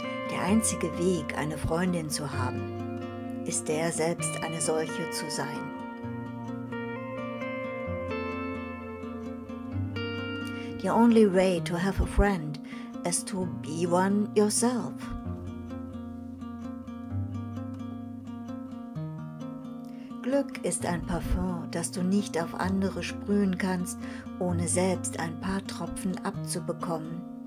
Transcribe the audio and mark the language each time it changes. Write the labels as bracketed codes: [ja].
[de] Der einzige Weg, eine Freundin zu haben, ist der, selbst eine solche zu sein. [en] The only way to have a friend is to be one yourself. [de] Glück ist ein Parfum, das du nicht auf andere sprühen kannst, ohne selbst ein paar Tropfen abzubekommen.